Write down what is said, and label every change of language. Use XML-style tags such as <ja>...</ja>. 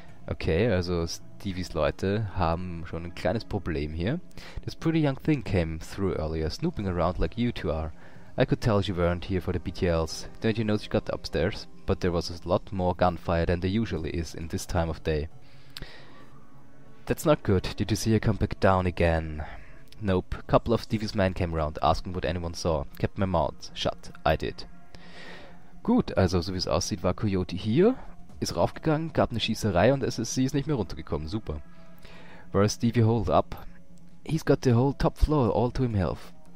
<de>Okay, also Stevie's Leute haben schon ein kleines Problem hier.</de> <en>This pretty young thing came through earlier, snooping around like you two are. I could tell she weren't here for the BTLs. Don't you know she got upstairs? But there was a lot more gunfire than there usually is in this time of day. That's not good. Did you see her come back down again? Nope. Couple of Stevie's men came round, asking what anyone saw. Kept my mouth shut. I did.</en> <de>Gut, also so wie es aussieht, war Coyote hier, ist raufgegangen, gab eine Schießerei und sie ist nicht mehr runtergekommen.</de> <en>Super. Where is Stevie holed up? He's got the whole top floor all to himself.</en>